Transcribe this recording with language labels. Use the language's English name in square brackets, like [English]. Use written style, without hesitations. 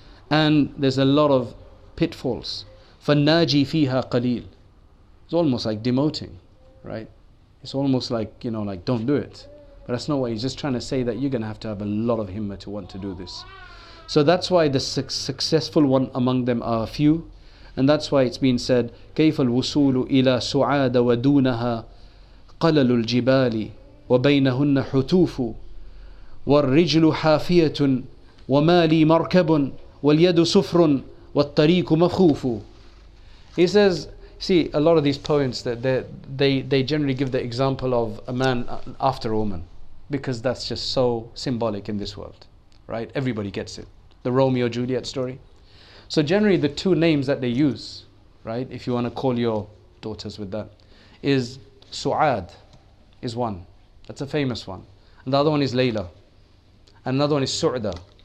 [English] And there's a lot of pitfalls. [Arabic] فَالنَّاجِي فِيهَا قَلِيلٌ. [English] It's almost like demoting, right? It's almost like, you know, like, don't do it. But that's not what he's just trying to say, that you're going to have a lot of himmah to want to do this. So that's why the successful one among them are a few. And that's why it's been said, [Arabic] كَيْفَ الْوُصُولُ إِلَى سُعَادَ وَدُونَهَا قَلَلُ الْجِبَالِ وَبَيْنَهُنَّ حُتُوفُ وَالرِّجْلُ حَافِيَةٌ وَمَا لِي مَرْكَبٌ وَالْيَدُ سُفْرٌ وَالطَّرِيكُ مَخُوفُ. [English] He says, see, a lot of these poems, that they generally give the example of a man after a woman, because that's just so symbolic in this world, right? Everybody gets it. The Romeo-Juliet story. So generally the two names that they use, right, if you want to call your daughters with that, is Su'ad, is one. That's a famous one. And the other one is Layla. And another one is Su'da.